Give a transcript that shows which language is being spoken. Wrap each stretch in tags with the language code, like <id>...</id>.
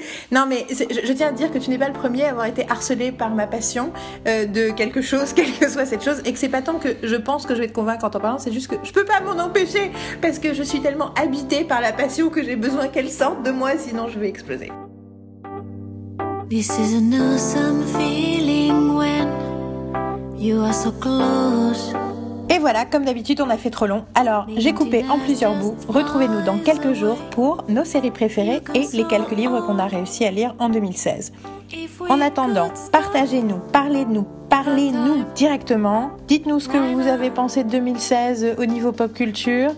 <fr>Non, mais je tiens à dire que tu n'es pas le premier à avoir été harcelé par ma passion de quelque chose, quelle que soit cette chose, et que c'est pas tant que je pense que je vais te convaincre en t'en parlant, c'est juste que je peux pas m'en empêcher parce que je suis tellement habitée par la passion que j'ai besoin qu'elle sorte de moi, sinon je vais exploser.</fr> <en>This is an awesome feeling when you are so close.</en> <fr>Et voilà, comme d'habitude, on a fait trop long. Alors, j'ai coupé en plusieurs bouts. Retrouvez-nous dans quelques jours pour nos séries préférées et les quelques livres qu'on a réussi à lire en 2016. En attendant, partagez-nous, parlez-nous directement. Dites-nous ce que vous avez pensé de 2016 au niveau pop culture.</fr>